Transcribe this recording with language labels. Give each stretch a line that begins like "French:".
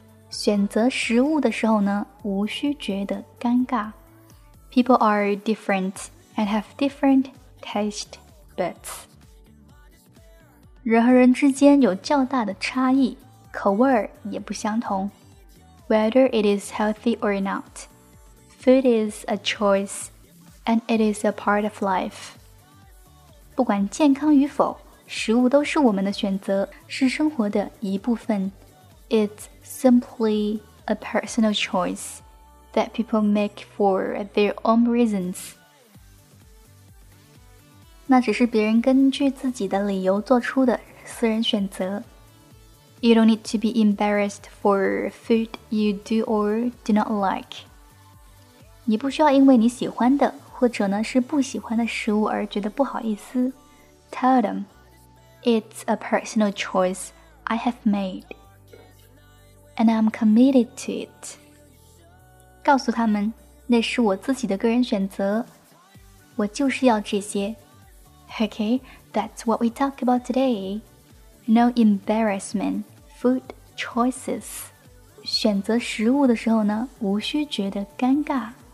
Chinese: 选择食物的时候呢，无需觉得尴尬。
English: People are different and have different taste buds.
Chinese: 人和人之间有较大的差异，口味也不相同。
English: Whether it is healthy or not, food is a choice, and it is a part of life.
Chinese: 不管健康与否，食物都是我们的选择，是生活的一部分。
English: It's simply a personal choice that people make for their own reasons.
Chinese: 那只是别人根据自己的理由做出的私人选择。
English: You don't need to be embarrassed for food you do or do not like.
Chinese: 你不需要因为你喜欢的或者呢是不喜欢的食物而觉得不好意思。
English: Tell them, it's a personal choice I have made, and I'm committed to it.
Chinese: 告诉他们，那是我自己的个人选择，我就是要这些。
English: Okay, that's what we talk about today. No embarrassment. Food choices.
Chinese: 选择食物的时候呢，无需觉得尴尬。